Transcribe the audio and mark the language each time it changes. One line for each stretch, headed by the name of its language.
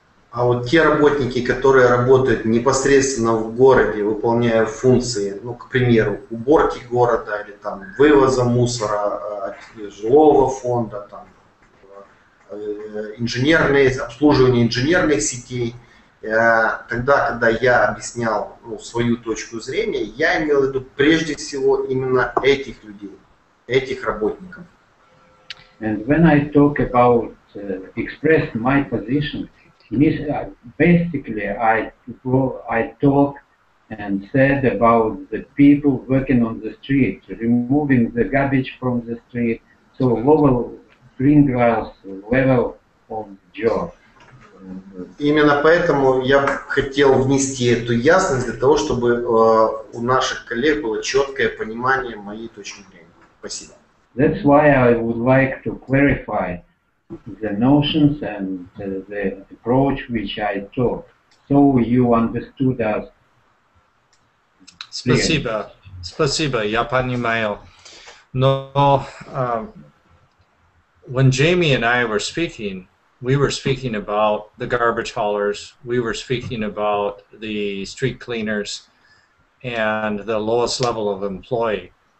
Russian: А вот те работники, которые работают непосредственно в городе, выполняя функции, ну, к примеру, уборки города или там вывоза мусора от жилого фонда, там инженерные, обслуживание инженерных сетей, тогда, когда я объяснял, ну, свою точку зрения, я имел в виду прежде всего именно этих людей, этих работников.
English: And when I talk about express my position, basically, I talk and said about the people working on the street, removing the garbage from the street, so lower green grass level of job.
Russian: Именно поэтому я хотел внести эту ясность для того, чтобы у наших коллег было четкое понимание моей точки зрения. Спасибо.
English: That's why I would like to clarify the notions and the approach which I took, so you understood us.
Russian: Спасибо,
English: yes.
Russian: Спасибо, я понимаю. Но
English: when Jamie and I were speaking, we were speaking about the garbage haulers, we were speaking about the street cleaners and the lowest level of employee.